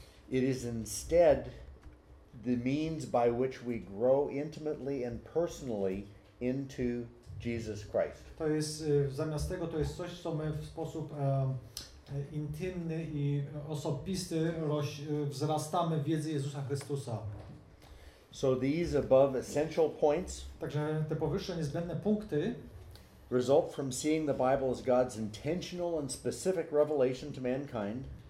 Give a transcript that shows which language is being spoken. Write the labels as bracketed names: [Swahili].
[English] It is instead the means by which we grow intimately and personally into Jesus Christ. [Polish] To jest zamiast tego, to jest coś, co my w sposób intymny i osobisty wzrastamy w wiedzy Jezusa Chrystusa. [English] So these above essential points, [Polish] także te powyższe niezbędne punkty, [English] result from seeing the Bible as God's intentional and specific revelation to mankind,